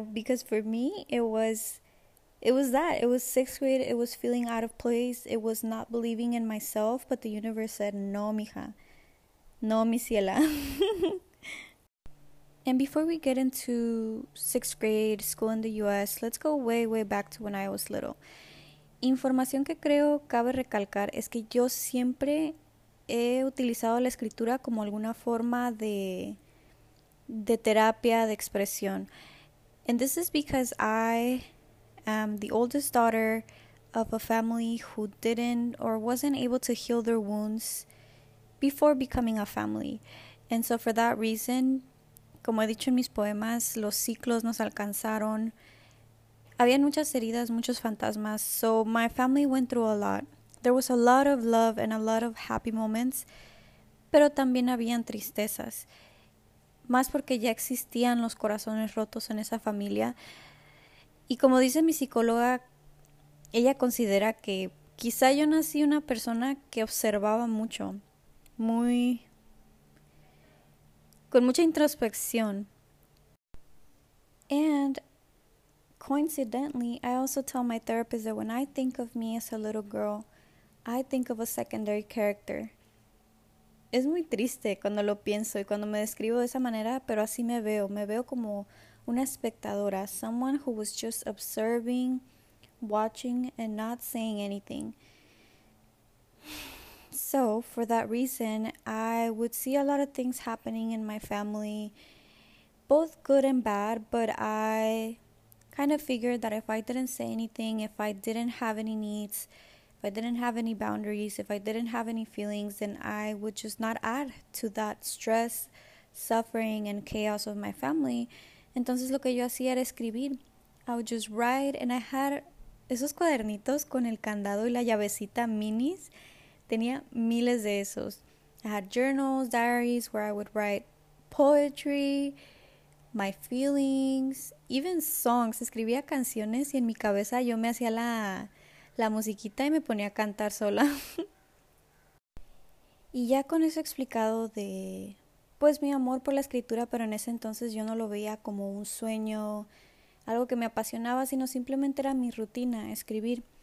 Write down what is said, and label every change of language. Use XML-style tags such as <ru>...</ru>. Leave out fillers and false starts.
<en>Because for me, it was that. It was sixth grade. It was feeling out of place. It was not believing in myself. But the universe said, no, mija.</en> <es>No, mi ciela.</es> <en>And before we get into sixth grade, school in the US, let's go way, way back to when I was little.</en> <es>Información que creo cabe recalcar es que yo siempre he utilizado la escritura como alguna forma de terapia, de expresión.</es> <en>And this is because I am the oldest daughter of a family who didn't or wasn't able to heal their wounds before becoming a family. And so for that reason,</en> <es>como he dicho en mis poemas, los ciclos nos alcanzaron. Habían muchas heridas, muchos fantasmas.</es> <en>So my family went through a lot. There was a lot of love and a lot of happy moments,</en> <es>pero también habían tristezas. Más porque ya existían los corazones rotos en esa familia. Y como dice mi psicóloga, ella considera que quizá yo nací una persona que observaba mucho, muy, con mucha introspección.</es> <en>And coincidentally, I also tell my therapist that when I think of me as a little girl, I think of a secondary character.</en> <es>Es muy triste cuando lo pienso y cuando me describo de esa manera, pero así me veo. Me veo como una espectadora,</es> <en>someone who was just observing, watching, and not saying anything. So, for that reason, I would see a lot of things happening in my family, both good and bad, but I kind of figured that if I didn't say anything, if I didn't have any needs, if I didn't have any boundaries, if I didn't have any feelings, then I would just not add to that stress, suffering, and chaos of my family.</en> <es>Entonces lo que yo hacía era escribir.</es> <en>I would just write, and I had</en> <es>esos cuadernitos con el candado y la llavecita minis. Tenía miles de esos.</es> <en>I had journals, diaries, where I would write poetry, my feelings, even songs.</en> <es>Escribía canciones y en mi cabeza yo me hacía la musiquita y me ponía a cantar sola. Y ya con eso explicado de, pues, mi amor por la escritura, pero en ese entonces yo no lo veía como un sueño, algo que me apasionaba, sino simplemente era mi rutina, escribir.</es>